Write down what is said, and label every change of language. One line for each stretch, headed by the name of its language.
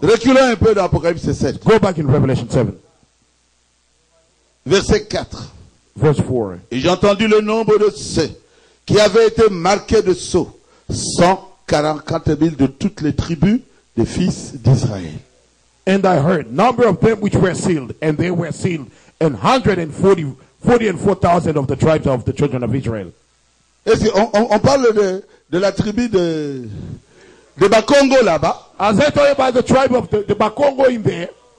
French: Reculons un peu dans Apocalypse 7.
English: Go back in Revelation 7.
French: Verset 4.
English: Verse 4.
French: Et j'ai entendu le nombre de ceux qui avaient été marqués de sceaux, 144,000 de toutes les tribus des fils d'Israël.
English: And I heard number of them which were sealed, and they were sealed, and 144,000 of the tribes of the children of Israel.
French: Est-ce qu'on parle de la tribu de Bakongo là-bas?
English: As I told you about the tribe of the Bakongo in there,